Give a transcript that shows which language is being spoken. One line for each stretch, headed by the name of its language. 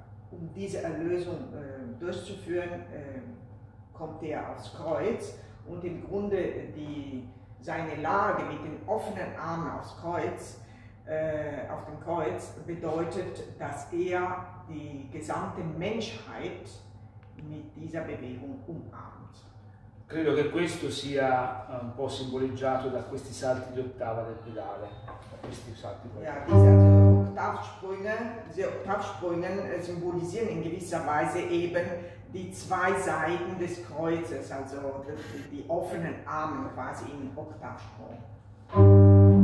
German: um diese Erlösung durchzuführen, kommt er aufs Kreuz und im Grunde seine Lage mit den offenen Armen aufs Kreuz, auf dem Kreuz bedeutet, dass er die gesamte Menschheit mit dieser Bewegung umarmt.
Italian: Credo che questo sia un po' simboleggiato da questi salti di ottava del pedale, da questi salti qua.
German: Diese Oktavsprünge symbolisieren in gewisser Weise eben die zwei Seiten des Kreuzes, also die offenen Arme quasi in Oktavsprung.